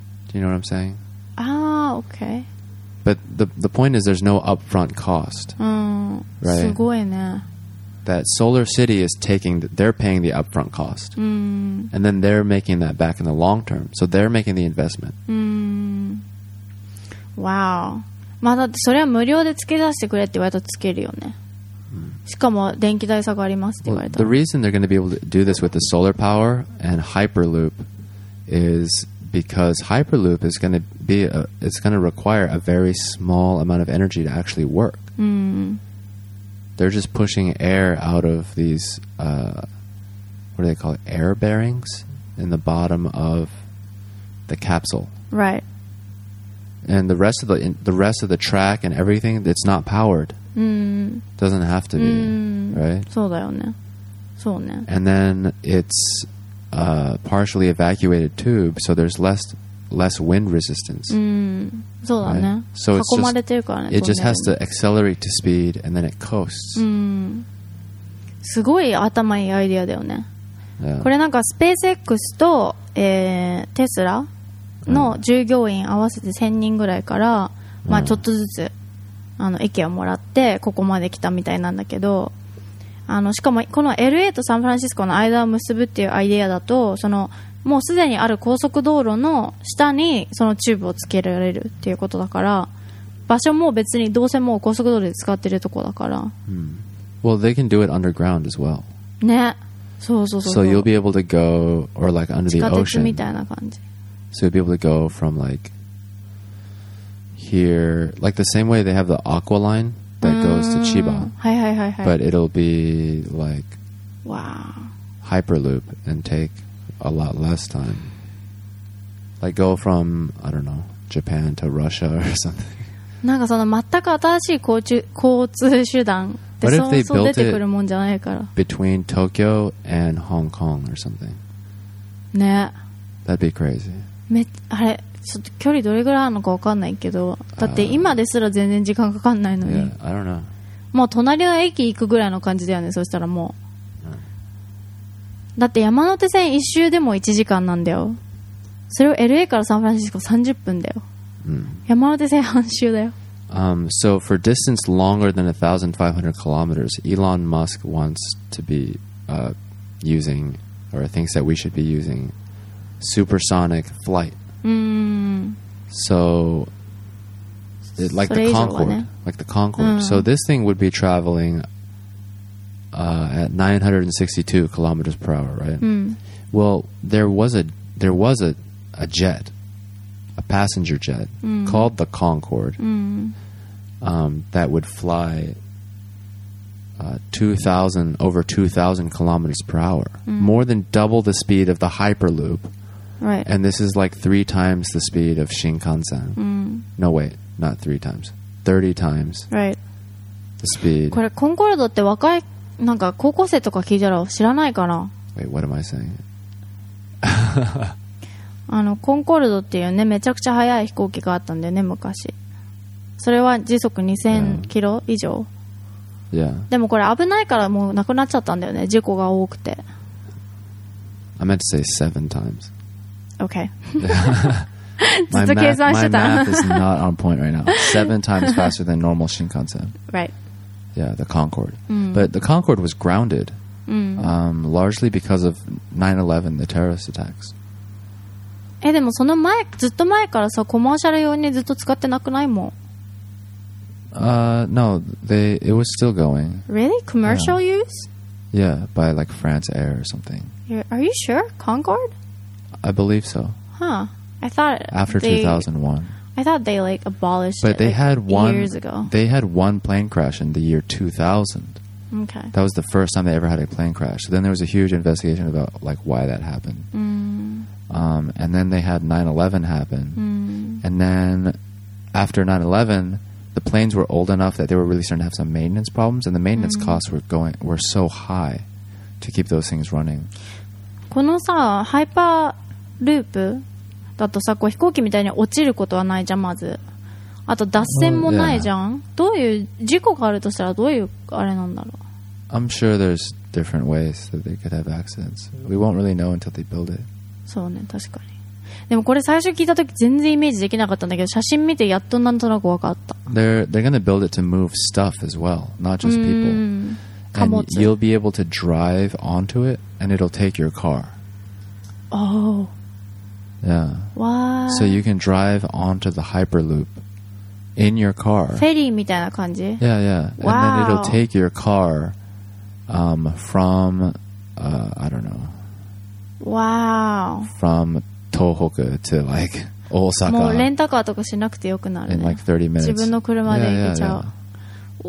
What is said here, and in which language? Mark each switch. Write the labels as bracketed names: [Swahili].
[English] Do you know what I'm saying? Ah, okay. But the point is there's no upfront cost. [Japanese] Right? すごいね。 [English] That Solar City is taking, they're paying the upfront cost. Mm. And then they're making that back in the long term. So they're making the investment. Mm. Wow. [Japanese] まあ、だってそれは無料でつけさせてくれって言われたらつけるよね、うん、しかも電気代差がありますって言われたら、 [English] well, The reason they're going to be able to do this with the solar power and Hyperloop is because Hyperloop is going to be it's going to require a very small amount of energy to actually work、 [Japanese] うん、 [English] They're just pushing air out of these what do they call it? Air bearings in the bottom of the capsule Right. And the rest of the track and everything, it's not powered. Doesn't have to be, right? [Japanese] そうだよね。そうね。 [English] And then it's a partially evacuated tube, so there's less wind resistance. [Japanese] そうだね。 [English] So it's just, [Japanese] 囲まれてるからね。 [English] It just has to accelerate to speed, and then it coasts. [Japanese] すごい頭いいアイデアだよね。これなんか SpaceX と、Tesla? の従業員合わせて1000人ぐらいから、まあ、ちょっとずつ、うん、あの意見をもらってここまで来たみたいなんだけどあのしかもこの LA とサンフランシスコの間を結ぶっていうアイデアだとそのもうすでにある高速道路の下にそのチューブをつけられるっていうことだから場所も別にどうせもう高速道路で使ってるとこだから、 [English] うん、Well, they can do it underground as well [Japanese] ね、そうそうそう [English] So you'll be able to go or like under the ocean [Japanese] 地下鉄みたいな感じ [English] So you'll be able to go from like here, like the same way they have the Aqua Line that goes to Chiba. [Japanese] はいはいはいはい。 [English] But it'll be like wow. Hyperloop and take a lot less time. Like go from, I don't know, Japan to Russia or something. [Japanese] なんかその全く新しい交通手段で出てくるもんじゃないから。 [English] Between Tokyo and Hong Kong or something. [Japanese] ね。 [English] That'd be crazy. [Japanese] めあれちょっと距離どれぐらいあるのか分かんないけどだって今ですら全然時間かかんないのに、 [English] yeah, I don't know. [Japanese] もう隣の駅行くぐらいの感じだよねそしたらもう、だって山手線一周でも1時間なんだよそれを LA からサンフランシスコ30分だよ、うん、山手線半周だよ [English] So for distance longer than 1,500 kilometers Elon Musk wants to be using or thinks that we should be usingSupersonic flight. So, like the Concorde. Like the Concorde. So, this thing would be traveling at 962 kilometers per hour, right? Well, there was a jet, a passenger jet called the Concorde. that would fly 2,000 over 2,000 kilometers per hour, more than double the speed of the Hyperloop. Right. And this is like three times the speed of Shinkansen. No, wait, not three times. 30 times. Right. The speed. [Japanese] これコンコルドって若いなんか高校生とか聞いたら知らないかな。 [English] Wait, what am I saying? [Japanese] あのコンコルドっていうねめちゃくちゃ速い飛行機があったんだよね昔。それは時速2000キロ以上。 [English] Yeah. [Japanese] でもこれ危ないからもうなくなっちゃったんだよね事故が多くて。 [English] I meant to say seven times. [Japanese] Okay. ずっと計算してた。 [English] My math is not on point right now. Seven times faster than normal Shinkansen. Right. Yeah, the Concorde. But the Concorde was grounded, largely because of 9/11, the terrorist attacks. [Japanese] え、でもその前、ずっと前からさ、コマーシャル用にずっと使ってなくないもん。 [English] No, it was still going. Really? Commercial yeah. use? Yeah, by like France Air or something. Are you sure? Concorde? I believe so. Huh. I thought after they, 2001. I thought they like abolished but it they like, had one, years ago. They had one plane crash in the year 2000. Okay. That was the first time they ever had a plane crash. So then there was a huge investigation about like why that happened. And then they had 9/11 happen. And then after 9/11... The planes were old enough that they were really starting to have some maintenance problems, and the maintenance costs were so high to keep those things running. [Japanese] このさ、ハイパーループだとさ、こう飛行機みたいに落ちることはないじゃん、まず。あと脱線もないじゃん。 [English] yeah. [Japanese] どういう事故があるとしたらどういうあれなんだろう。 [English] I'm sure there's different ways that they could have accidents. We won't really know until they build it. [Japanese] そうね、確かに。でもこれ最初聞いたとき全然イメージできなかったんだけど写真見てやっとなんとなく分かった。 [English] They're going to build it to move stuff as well, not just people. And you'll be able to drive onto it and it'll take your car. Oh. Yeah. What? So you can drive onto the Hyperloop in your car. [Japanese] フェリーみたいな感じ? [English] Yeah, yeah. Wow. And then it'll take your car from, I don't know. Wow. From... Tohoku to like Osaka. [Japanese] もうレンタカーとかしなくてよくなるね。 [English] In like 30 minutes. [Japanese] 自分の車で行けちゃう。